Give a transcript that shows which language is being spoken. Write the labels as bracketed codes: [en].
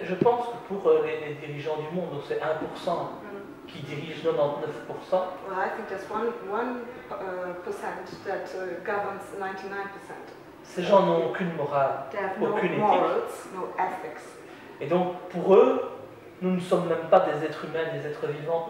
[fr] Je pense que pour les dirigeants du monde, c'est 1% qui dirige 99%. [en] Well, I think there's one percent that governs 99%. [fr] Ces gens n'ont aucune morale, aucune éthique. [en] Morals, no ethics. [fr] Et donc, pour eux, nous ne sommes même pas des êtres humains, des êtres vivants,